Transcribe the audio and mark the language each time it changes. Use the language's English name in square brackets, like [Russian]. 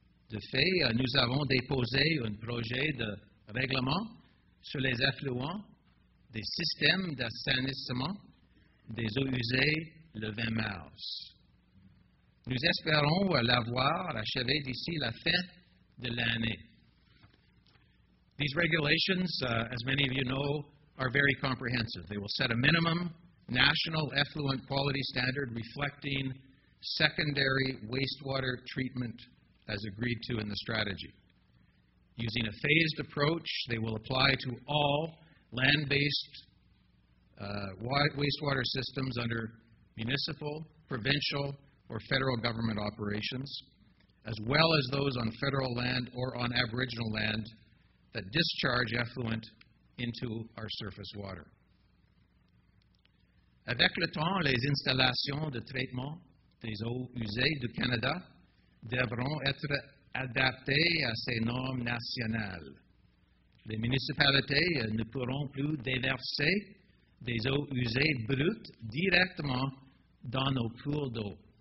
[French] De fait, nous avons déposé un projet de règlement sur les effluents des systèmes d'assainissement des eaux usées le 20 mars. Nous espérons l'avoir achevé d'ici la fin de l'année. [English] These regulations, as many of you know, are very comprehensive. They will set a minimum national effluent quality standard reflecting secondary wastewater treatment as agreed to in the strategy. Using a phased approach, they will apply to all land-based wastewater systems under municipal, provincial, or federal government operations, as well as those on federal land or on Aboriginal land that discharge effluent into our surface water. [French] Avec le temps, les installations de traitement des eaux usées du Canada devront être adaptées à ces normes nationales. Les municipalités ne pourront plus déverser des eaux usées brutes directement dans nos cours d'eau.